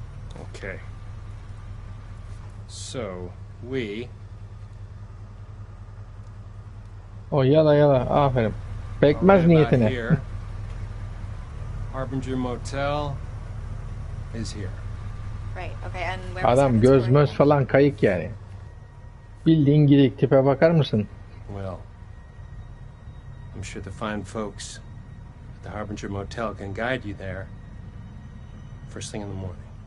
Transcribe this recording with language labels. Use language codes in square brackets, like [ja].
[en] Okay. So, we... [tr] Oh, yala yala. Aferin. Bekmez niyetine. [en] Harbinger Motel is here. Right. Okay. And where [tr] adam gözmöz falan kayık yani. Bildiğin gidik tipe bakar mısın? [en] Well. I'm sure the fine folks at the Harbinger Motel can guide you there first thing in the morning.